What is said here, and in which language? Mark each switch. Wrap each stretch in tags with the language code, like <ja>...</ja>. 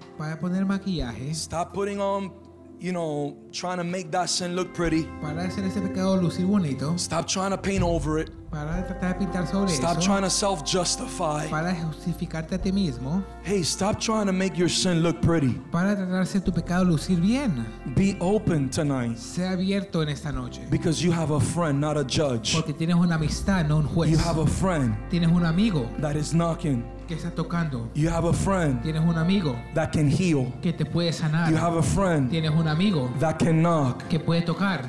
<es>Para poner maquillaje.</es> <en>Stop putting on, you know, trying to make that sin look pretty.</en> <es>Para hacer ese pecado lucir bonito.</es> <en>Stop trying to paint over it.</en> <es>Para tratar de pintar sobre eso.</es> <en>Stop trying to self-justify.</en> <es>Para justificarte a ti mismo.</es> <en>Hey, stop trying to make your sin look pretty.</en> <es>Para tratar de hacer tu pecado lucir bien.</es> <en>Be open tonight.</en> <es>Sé abierto en esta noche.</es> <en>Because you have a friend, not a judge.</en> <es>Porque tienes una amistad, no un juez.</es> <en>You have a friend.</en> <es>Tienes un amigo.</es> <en>That is knocking.</en> <es>Que está tocando.</es> <en>You have a friend.</en> <es>Tienes un amigo.</es> <en>That can heal.</en> <es>Que te puede sanar.</es> <en>You have a friend.</en> <es>Tienes un amigo.</es> <en>That can knock.</en> <es>Que puede tocar.</es>